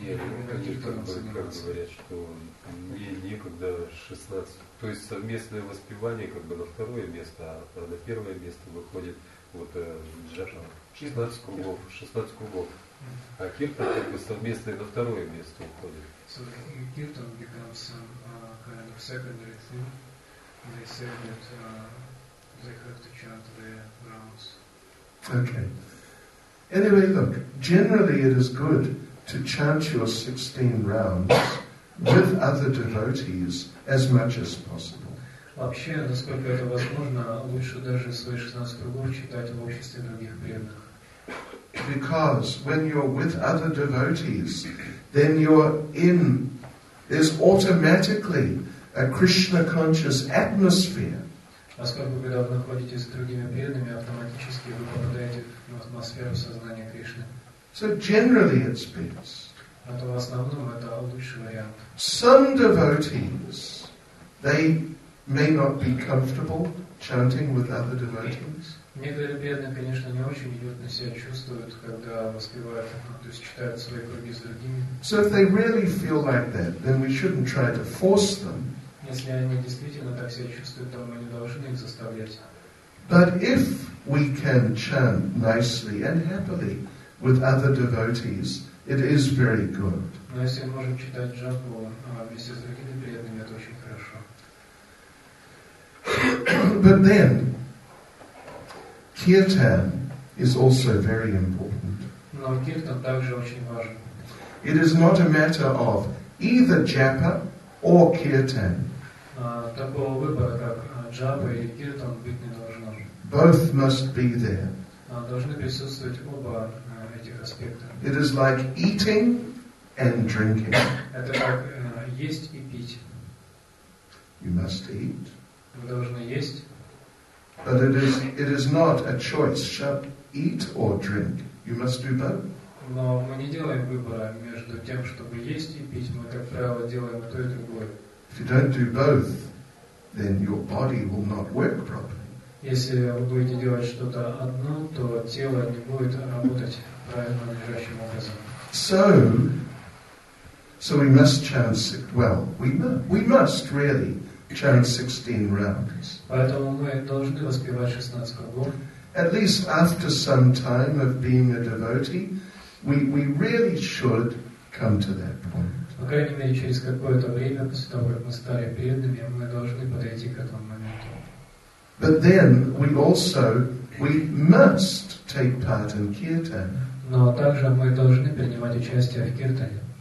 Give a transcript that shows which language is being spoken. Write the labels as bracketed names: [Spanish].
[Russian] Нет, как говорят, что мне некогда 16. То есть совместное воспевание как бы на второе место, а на первое место выходит вот джапа. 16 кругов. А киртан как бы совместный на второе место уходит. [English] So киртан becomes some kind of secondary thing. They say that they have to chant the rounds. Okay. Anyway, look, generally it is good to chant your 16 rounds with other devotees as much as possible. [Russian] Вообще, насколько это возможно, лучше даже свои 16 кругов читать в обществе других преданных. [English] Because when you're with other devotees, then you're in, there's automatically a Krishna conscious atmosphere. [Russian] Поскольку когда вы находитесь с другими преданными, автоматически вы попадаете в атмосферу сознания Кришны. [English] So generally it's best. [Russian] А то в основном это лучший вариант. [English] Some devotees, they may not be comfortable chanting with other devotees. [Russian] Некоторые преданные, конечно, не очень уютно себя чувствуют, когда воспевают, то есть читают свои круги с другими. [English] So if they really feel like that, then we shouldn't try to force them. [Russian] Если они действительно так себя чувствуют, то мы не должны их заставлять. [English] But if we can chant nicely and happily with other devotees, it is very good. [Russian] Но если мы можем читать джапу вместе с другими преданными, это очень хорошо. [English] But then, kirtan is also very important. [Russian] Но киртан также очень важен. [English] It is not a matter of either japa or kirtan. [Russian] Такого выбора, как джапа или киртан, быть не должно. [English] Both must be there. [Russian] Должны присутствовать оба этих аспекта. [English] It is like eating and drinking. [Russian] Это как есть и пить. [English] You must eat. [Russian] Вы должны есть. [English] But it is not a choice, shall eat or drink. You must do both. [Russian] Но мы не делаем выбора между тем, чтобы есть и пить. Мы, как правило, делаем то и другое. [English] If you don't do both, then your body will not work properly. [Russian] Если вы будете делать что-то одно, то тело не будет работать правильно надлежащим образом. [English] So we must chant it well. We must really chant 16 rounds. [Russian] Поэтому мы должны воспевать 16 кругов. [English] At least after some time of being a devotee, we really should come to that point. [Russian] По крайней мере, через какое-то время, после того, как мы стали преданными, мы должны подойти к этому моменту. [English] But then we must take part in kirtan. [Russian] Но также мы должны принимать участие в киртане.